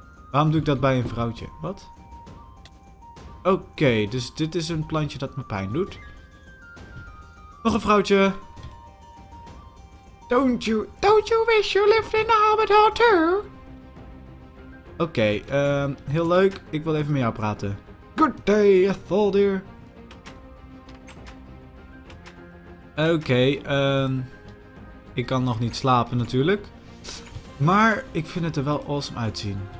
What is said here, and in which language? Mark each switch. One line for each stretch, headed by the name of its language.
Dutch: Waarom doe ik dat bij een vrouwtje? Wat? Oké, dus dit is een plantje dat me pijn doet. Nog een vrouwtje.
English: Don't you wish you lived in the Hobbit Hall too?
Dutch: Oké, heel leuk. Ik wil even met jou praten.
English: Good day, Ethel dear.
Dutch: Oké. Ik kan nog niet slapen natuurlijk. Maar ik vind het er wel awesome uitzien.